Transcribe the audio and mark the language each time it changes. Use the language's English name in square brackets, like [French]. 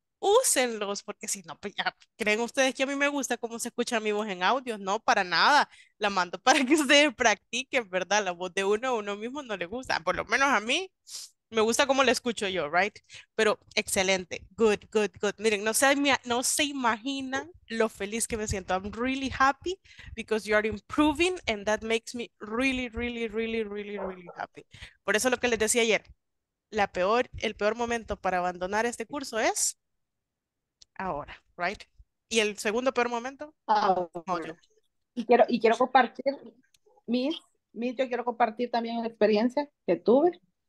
[Spanish] Úsenlos, porque si no, pues ya, ¿creen ustedes que a mí me gusta cómo se escucha mi voz en audio? No, para nada. La mando para que ustedes practiquen, ¿verdad? La voz de uno mismo no le gusta. Por lo menos a mí, me gusta cómo la escucho yo, ¿right? Pero excelente. Good. Miren, no se imaginan lo feliz que me siento. [English] I'm really happy because you are improving and that makes me really, really, really, really, really happy. [Spanish] Por eso lo que les decía ayer, el peor momento para abandonar este curso es ahora, right? Y el segundo peor momento. Y quiero compartir, Miss, yo quiero compartir también una experiencia que tuve.